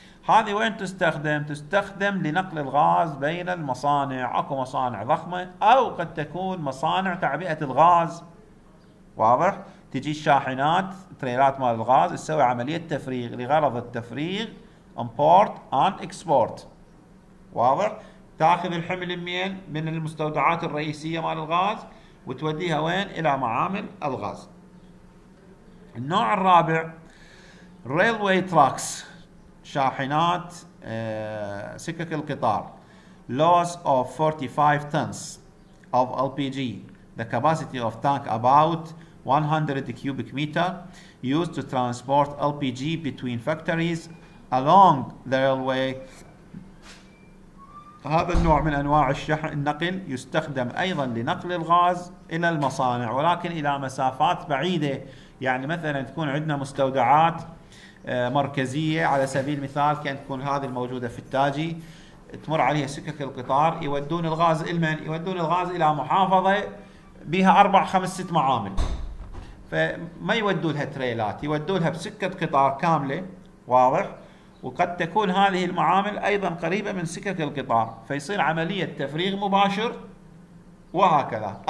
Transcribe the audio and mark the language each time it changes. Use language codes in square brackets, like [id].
[ar] هذه وين تستخدم؟ تستخدم لنقل الغاز بين المصانع، اكو مصانع ضخمه او قد تكون مصانع تعبئه الغاز، واضح؟ تجي الشاحنات تريلات مال الغاز تسوي عمليه تفريغ لغرض التفريغ [en] import and export, [ar] واضح؟ تاخذ الحمل منين؟ من المستودعات الرئيسيه مال الغاز وتوديها وين؟ الى معامل الغاز. النوع الرابع [en] railway tracks [ar] شاحنات سكك القطار [en] loss of 45 tons of LPG the capacity of tank about 100 cubic meter used to transport LPG between factories along the railway. [ar] هذا النوع من أنواع الشحن النقل يستخدم أيضا لنقل الغاز إلى المصانع ولكن إلى مسافات بعيدة، يعني مثلا تكون عندنا مستودعات مركزية، على سبيل المثال كأن تكون هذه الموجودة في التاجي، تمر عليها سكك القطار، يودون الغاز لمن؟ يودون الغاز إلى محافظة بها 4 5 6 معامل، فما يودولها تريلات، يودولها بسكة قطار كاملة، واضح؟ وقد تكون هذه المعامل أيضا قريبة من سكك القطار، فيصير عملية تفريغ مباشر وهكذا.